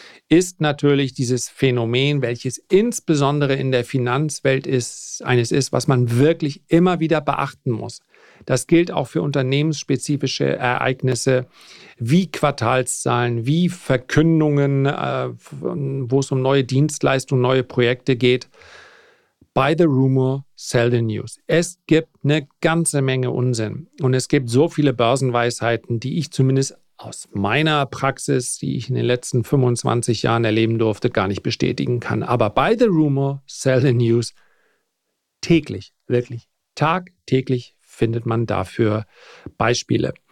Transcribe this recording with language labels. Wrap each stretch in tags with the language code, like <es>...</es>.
<de>ist natürlich dieses Phänomen, welches insbesondere in der Finanzwelt ist, eines ist, was man wirklich immer wieder beachten muss. Das gilt auch für unternehmensspezifische Ereignisse wie Quartalszahlen, wie Verkündungen, wo es um neue Dienstleistungen, neue Projekte geht.</de> <en>Buy the rumor, sell the news.</en> <de>Es gibt eine ganze Menge Unsinn und es gibt so viele Börsenweisheiten, die ich zumindest aus meiner Praxis, die ich in den letzten 25 Jahren erleben durfte, gar nicht bestätigen kann. Aber</de> <en>buy the rumor, sell the news,</en> <de>täglich, wirklich tagtäglich findet man dafür Beispiele.</de>